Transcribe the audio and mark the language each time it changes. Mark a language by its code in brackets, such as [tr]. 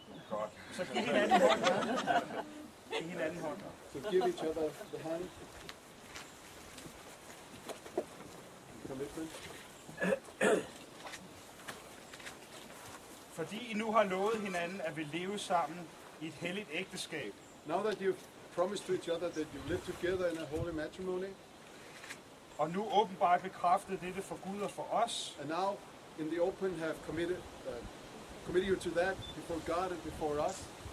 [da] Godt. Så giv hinanden hånd. Giv hinanden hånd. [en] So give each other the hand. Commitment. [da] Fordi I nu har lovet hinanden at vil leve sammen i et helligt ægteskab. [en] Now that you've promised to each other that you live together in a holy matrimony. [da] Og nu åbenbart bekræftet dette for Gud og for os. [en] And now in the open have committed committed you to that before God and before us.